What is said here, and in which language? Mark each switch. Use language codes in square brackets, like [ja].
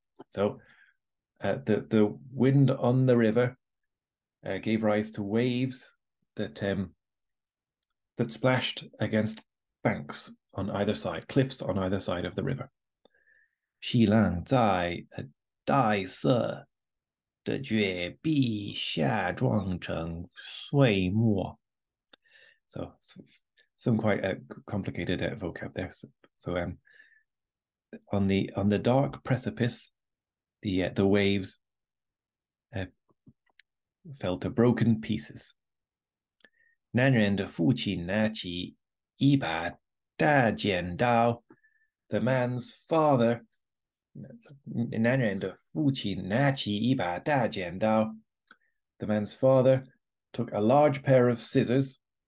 [en] So the wind on the river gave rise to waves that splashed against banks on either side, cliffs on either side of the river. [zh] 细浪在黛色的绝壁下撞成碎末。 [en] So some quite complicated vocab there. So on the dark precipice, the waves fell to broken pieces. [zh] 男人的父亲拿起一把大剪刀。 [en] The man's father, [zh] 男人的父亲拿起一把大剪刀。 [en] The man's father took a large pair of scissors.